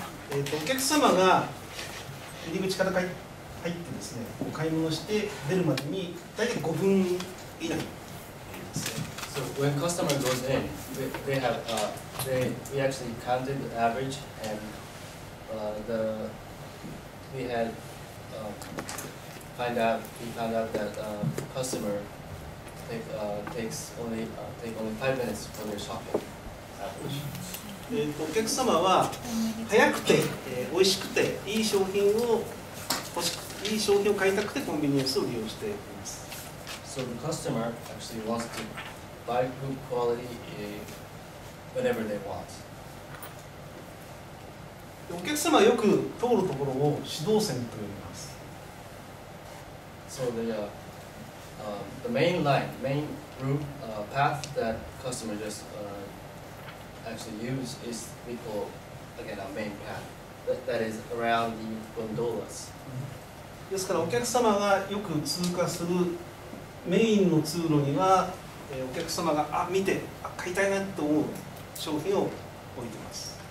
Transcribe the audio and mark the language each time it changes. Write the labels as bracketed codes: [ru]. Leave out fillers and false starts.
[ja] お客様が入り口から入ってですね、お買い物して出るまでに大体5分。 [en] So when customer goes in, they have we actually counted the average and found out that customer takes only 5 minutes for their shopping average. [ja] お客様は早くて美味しくていい商品を買いたくてコンビニエンスを利用しています。 [en] So the customer actually wants to buy good quality whenever they want. [ja] お客様はよく通るところを指導線と呼びます。 [en] So the main line, main route, path that customer just actually use is we call again our main path that is around the gondolas. [ja] ですからお客様がよく通過するメインの通路には、お客様が見て買いたいなと思う商品を置いてます。